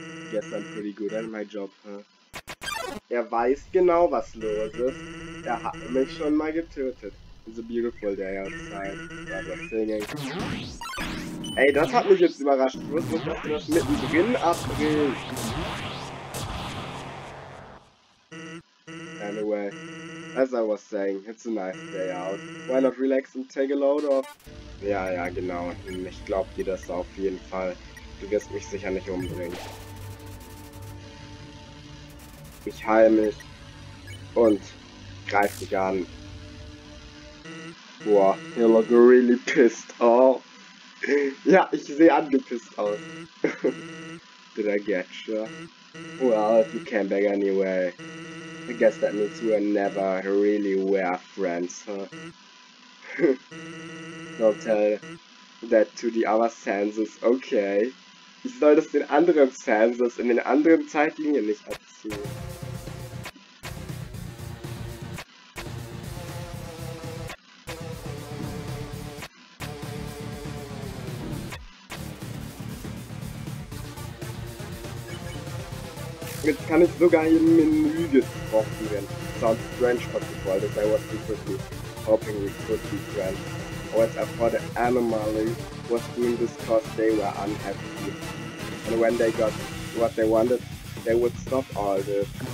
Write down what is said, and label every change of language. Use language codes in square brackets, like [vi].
[en] Guess I'm pretty good at my job, huh? [de] Er weiß genau, was los ist. Er hat mich schon mal getötet. [en] It's a beautiful day outside, but I'm singing. [de] Ey, das hat mich jetzt überrascht. Ich wusste nicht, dass du das mittendrin abdrehst. [en] Anyway, as I was saying, it's a nice day out. Why not relax and take a load off? [de] Ja, ja, genau. Ich glaub dir das auf jeden Fall. Du wirst mich sicher nicht umbringen. Ich heile mich und greife dich an. [en] Boah, you look really pissed off. [de] Ja, ich sehe angepisst aus. [en] Did I get you? Well, if you came back anyway, I guess that means we never really were friends, huh? Don't tell that to the other Sanses, okay? [de] Ich soll das den anderen Sanses in den anderen Zeitlinien nicht erzählen. Jetzt kann ich sogar im Menü getroffen werden. [en] Sounds strange, but the world is I was secretly hoping we could be friends. Whereas I thought the anomaly was doing this cause they were unhappy. And when they got what they wanted, they would stop all this.